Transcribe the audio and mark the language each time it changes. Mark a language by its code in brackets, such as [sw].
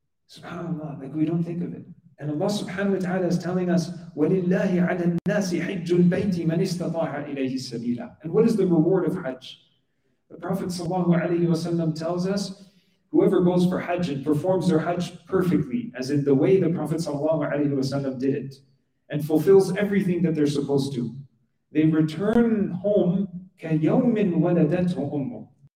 [en] SubhanAllah, like we don't think of it. And Allah subhanahu wa ta'ala is telling us, [ar] وَلِلَّهِ عَلَى النَّاسِ حِجُّ الْبَيْتِ مَنِ اسْتَطَاعَ إِلَيْهِ سَبِيلًا. [en] And what is the reward of Hajj? The Prophet sallallahu alayhi wa sallam tells us, whoever goes for Hajj and performs their Hajj perfectly, as in the way the Prophet sallallahu alayhi wa sallam did it, and fulfills everything that they're supposed to, they return home [ar] كَيَوْمٍ وَلَدَتْهُ أُمُّهُ.